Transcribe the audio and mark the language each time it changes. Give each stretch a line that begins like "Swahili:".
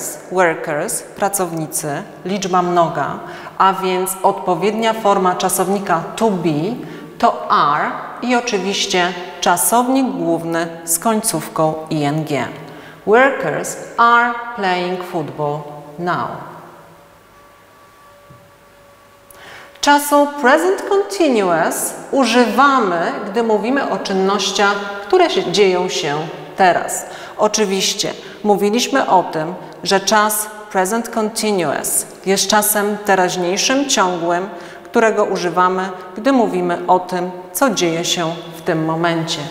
Polish: Workers, pracownicy, liczba mnoga, a więc odpowiednia forma czasownika to be to are i oczywiście czasownik główny z końcówką ing.
English: Workers are playing football now.
Polish: Czasu present continuous używamy, gdy mówimy o czynnościach, które dzieją się teraz. Oczywiście mówiliśmy o tym, że czas present continuous jest czasem teraźniejszym, ciągłym, którego używamy, gdy mówimy o tym, co dzieje się w tym momencie.